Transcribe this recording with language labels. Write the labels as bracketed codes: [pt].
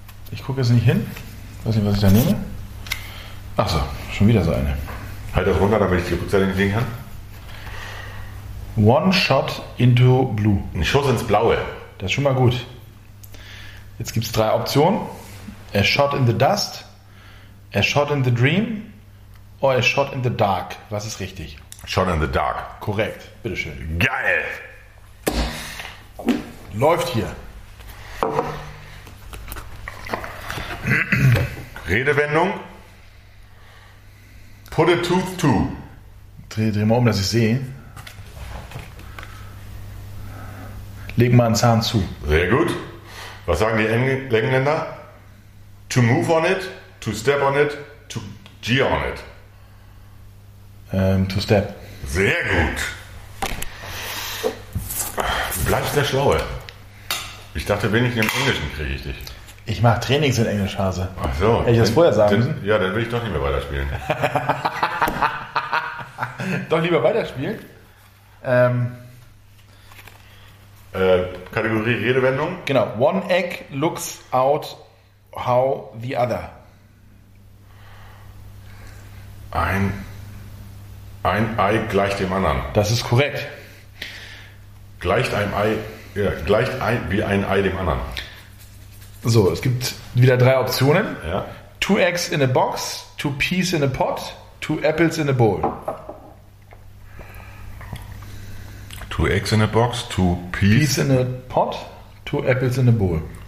[de] Ich gucke jetzt nicht hin. Weiß nicht, was ich da nehme. Ach so, schon wieder so eine. Halt das runter, damit ich die Rückseite nicht legen kann. [en] One shot into blue. [de] Ein Schuss ins Blaue. Das ist schon mal gut. Jetzt gibt es drei Optionen. [en] A shot in the dust, a shot in the dream or a shot in the dark. [de] Was ist richtig? [en] Shot in the dark. [de] Korrekt, bitteschön. Geil. Läuft hier. Redewendung. [en] Put a tooth to. [de] Dreh mal um, dass ich sehe. Leg mal einen Zahn zu. Sehr gut. Was sagen die Engländer? [en] To move on it, to step on it, to gear on it. To step. [de] Sehr gut. Du bleibst der Schlaue. Ich dachte, wenigstens im Englischen kriege ich dich. Ich mache Trainings in Englisch, Hase. Ach so. Hätte ich das vorher sagen müssen? Ja, dann will ich doch nicht mehr weiterspielen. Doch lieber weiterspielen. Kategorie Redewendung. Genau. [en] One egg looks out how the other. [de] Ein Ei gleicht dem anderen. Das ist korrekt. Gleicht wie ein Ei dem anderen. So, es gibt wieder drei Optionen. Ja. [en] Two eggs in a box, two peas in a pot, two apples in a bowl. Two Two eggs in a box, two peas. Peas in a pot, two apples in a bowl.